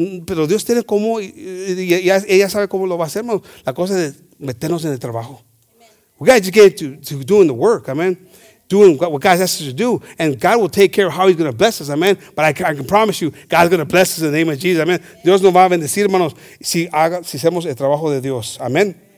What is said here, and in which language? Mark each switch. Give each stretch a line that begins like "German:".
Spanish: Pero Dios tiene cómo, y ella sabe cómo lo va a hacer, hermanos. La cosa es meternos en el trabajo.
English: Amen. We got to get to doing the work, amen. Doing what God asks us to do, and God will take care of how he's going to bless us, amen. But I can promise you, God's going to bless us in the name of Jesus, amen.
Spanish: Dios nos va a bendecir, hermanos, si hacemos el trabajo de Dios, amen.